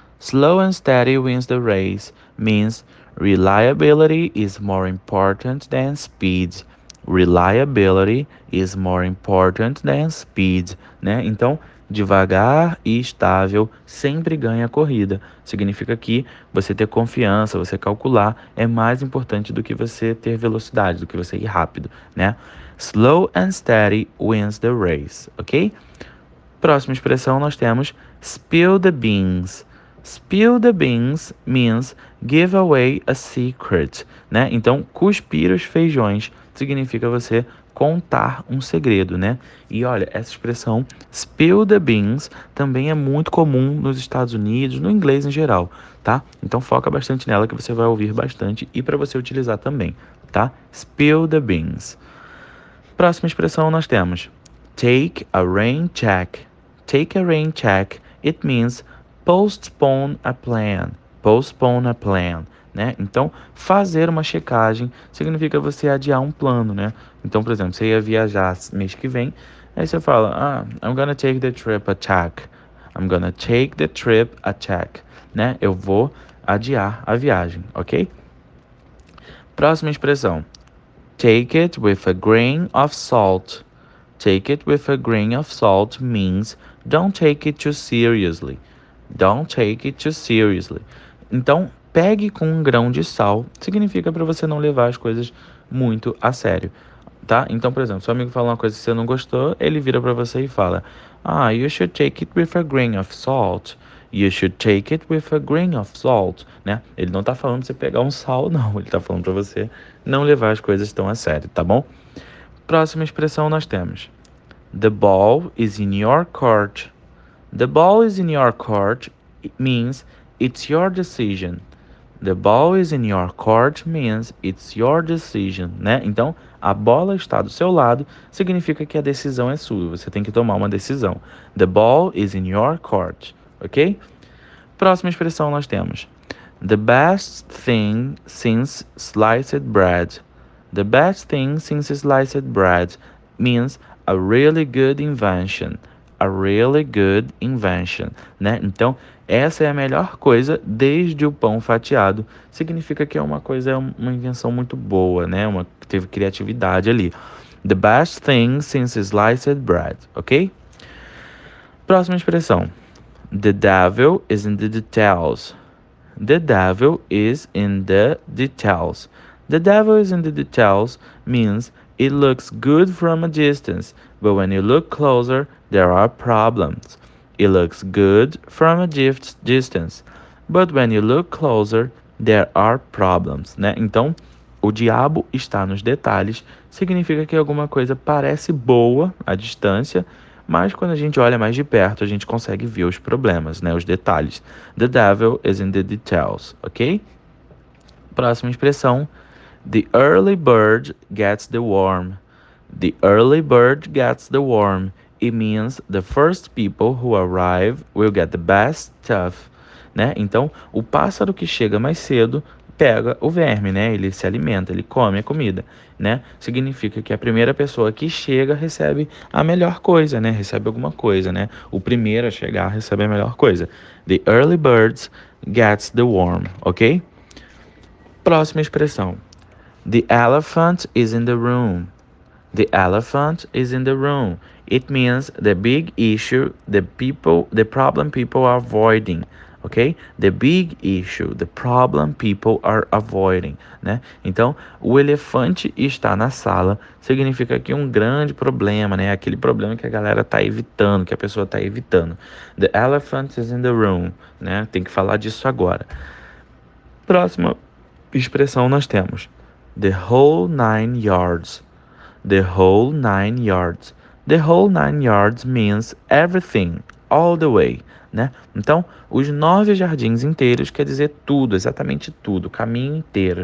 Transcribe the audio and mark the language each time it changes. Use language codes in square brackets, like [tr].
[en] Slow and steady wins the race means reliability is more important than speed. Reliability is more important than speed, né? [pt] Então, devagar e estável sempre ganha a corrida. Significa que você ter confiança, você calcular, é mais importante do que você ter velocidade, do que você ir rápido, né? [en] Slow and steady wins the race, ok? [pt] Próxima expressão nós temos: [en] spill the beans. Spill the beans means give away a secret, né? [pt] Então, cuspir os feijões significa você contar um segredo, né? E olha, essa expressão spill the beans também é muito comum nos Estados Unidos, no inglês em geral, tá? Então foca bastante nela que você vai ouvir bastante e para você utilizar também, tá? [en] Spill the beans. [pt] Próxima expressão nós temos: [en] take a rain check. Take a rain check. It means postpone a plan. Postpone a plan. Né? [pt] Então, fazer uma checagem significa você adiar um plano, né? Então, por exemplo, você ia viajar mês que vem, aí você fala: ah, [en] I'm gonna take the trip a check. I'm gonna take the trip a check. Né? [pt] Eu vou adiar a viagem, [en] ok? [pt] Próxima expressão: [en] take it with a grain of salt. Take it with a grain of salt means don't take it too seriously. Don't take it too seriously. [pt] Então, pegue com um grão de sal significa para você não levar as coisas muito a sério, tá? Então, por exemplo, seu amigo fala uma coisa que você não gostou, ele vira para você e fala: Ah, [en] you should take it with a grain of salt. You should take it with a grain of salt, né? [pt] Ele não tá falando pra você pegar um sal, não. Ele tá falando para você não levar as coisas tão a sério, tá bom? Próxima expressão nós temos: [en] The ball is in your court. The ball is in your court. It means it's your decision. The ball is in your court means it's your decision, né? [pt] Então, a bola está do seu lado, significa que a decisão é sua, você tem que tomar uma decisão. [en] The ball is in your court, ok? [pt] Próxima expressão nós temos: [en] The best thing since sliced bread. The best thing since sliced bread means a really good invention. A really good invention, né? [pt] Então, essa é a melhor coisa desde o pão fatiado. Significa que é uma coisa, é uma invenção muito boa, né? Uma teve criatividade ali. [en] The best thing since sliced bread, ok? [pt] Próxima expressão: [en] The devil is in the details. The devil is in the details. The devil is in the details means It looks good from a distance, but when you look closer, there are problems. It looks good from a distance, but when you look closer, there are problems. [pt] Né? Então, o diabo está nos detalhes significa que alguma coisa parece boa à distância, mas quando a gente olha mais de perto, a gente consegue ver os problemas, né? Os detalhes. [en] The devil is in the details, ok? [pt] Próxima expressão. [en] The early bird gets the worm. The early bird gets the worm. It means the first people who arrive will get the best stuff. [pt] Né? Então, o pássaro que chega mais cedo pega o verme, né? Ele se alimenta, ele come a comida, né? Significa que a primeira pessoa que chega recebe a melhor coisa, né? Recebe alguma coisa, né? O primeiro a chegar recebe a melhor coisa. [en] The early bird gets the worm, ok? [pt] Próxima expressão. [en] The elephant is in the room. The elephant is in the room. It means the big issue the problem people are avoiding. Ok? The big issue the problem people are avoiding. [pt] Né? Então, o elefante está na sala significa que um grande problema, né? Aquele problema que a galera está evitando, que a pessoa está evitando. [en] The elephant is in the room. Né? [pt] Tem que falar disso agora. Próxima expressão nós temos. [en] The whole nine yards. The whole nine yards. The whole nine yards means everything, all the way. [pt] Né? Então, os nove jardins inteiros quer dizer tudo, exatamente tudo, caminho inteiro.